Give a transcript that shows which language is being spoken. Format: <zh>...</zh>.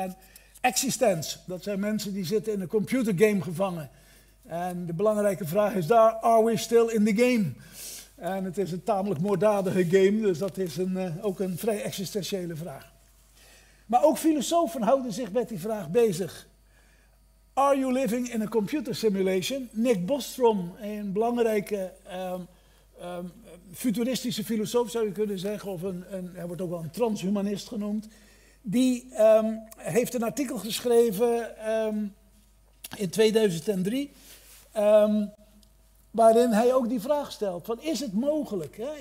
<nl>En Existence, dat zijn mensen die zitten in een computergame gevangen. En de belangrijke vraag is daar,</nl> <en>are we still in the game?</en> <nl>En het is een tamelijk moorddadige game, dus dat is ook een vrij existentiële vraag. Maar ook filosofen houden zich met die vraag bezig.</nl> <en>Are you living in a computer simulation?</en> <nl>Nick Bostrom, een belangrijke futuristische filosoof zou je kunnen zeggen, of hij wordt ook wel een transhumanist genoemd, die heeft een artikel geschreven in 2003, waarin hij ook die vraag stelt, van is het mogelijk, hè?</nl>